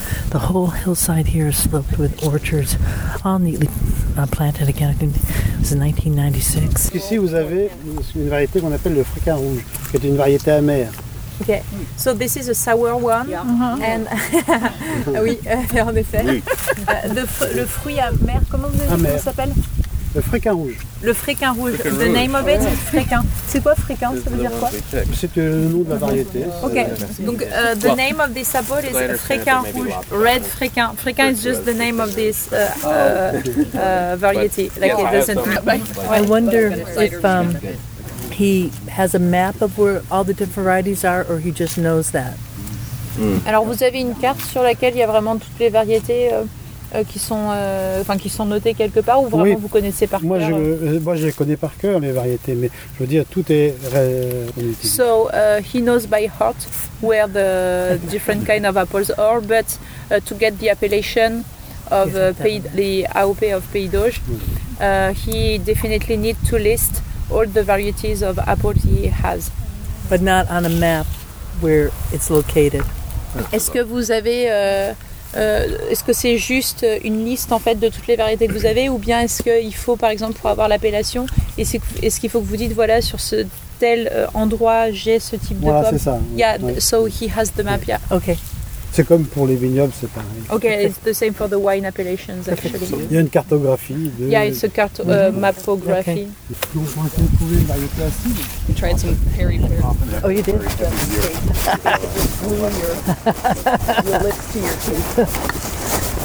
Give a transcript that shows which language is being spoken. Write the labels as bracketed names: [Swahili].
[English] The whole hillside here is sloped with orchards, all neatly planted again. I think this is 1996. [French] Ici, vous avez une variété qu'on appelle le fricain rouge, qui est une variété amère. [English] Okay, so this is a sour one, yeah. [French] And oui, en effet, oui. Le fruit amer, comment vous avez dit, comment ça s'appelle? Le fréquin rouge. Le fréquin rouge, [English] the name of it is fréquin. [French] C'est quoi fréquin, ça veut dire quoi? C'est le nom de la variété. [English] Ok, donc the name of this apple is fréquin rouge, red fréquin. Fréquin is just the name of this variety. Like it doesn't I wonder if... he has a map of where all the different varieties are, or he just knows that. [French] Alors vous avez une carte sur laquelle il y a vraiment toutes les variétés qui sont notées quelque part, ou vraiment oui. Vous connaissez par cœur? Moi je les connais par cœur les variétés, mais je veux dire tout est. [English] So he knows by heart where the different kind of apples are, but to get the appellation of the AOP of Pays d'Auge, he definitely need to list all the varieties of apples he has. But not on a map where it's located. [French] Est-ce que vous avez... est-ce que c'est juste une liste en fait de toutes les variétés que vous avez, ou bien est-ce qu'il faut, par exemple, pour avoir l'appellation, est-ce qu'il faut que vous dites voilà sur ce tel endroit j'ai ce type voilà, de pomme. Voilà, c'est ça. [English] Yeah, oui. So he has the map. Yeah. Okay. [French] C'est comme pour les vignobles, c'est pareil. [English] Okay, it's the same for the wine appellations actually. [French] Il y a une cartographie. De... [English] Yeah, it's a mapography. Okay. We tried some peri peri. Oh, you did. Your lips to your teeth.